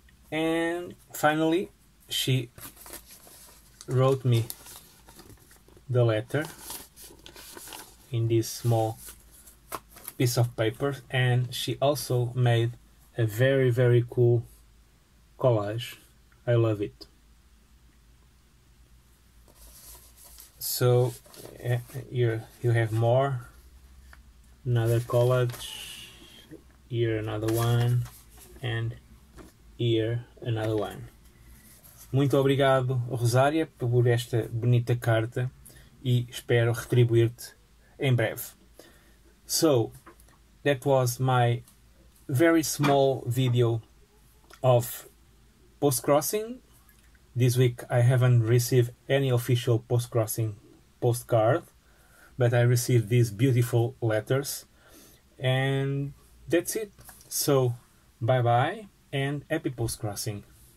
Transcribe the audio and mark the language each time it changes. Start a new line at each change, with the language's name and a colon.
English: And finally she wrote me the letter in this small piece of paper, and she also made a very, very cool collage. I love it. So here you have more. Another collage, here another one, and here another one.
Portuguese: Muito obrigado, Rosária, por esta bonita carta e espero retribuir-te em breve.
English: So, that was my very small video of Postcrossing. This week I haven't received any official Postcrossing postcard, but I received these beautiful letters, and that's it. So bye bye and happy postcrossing.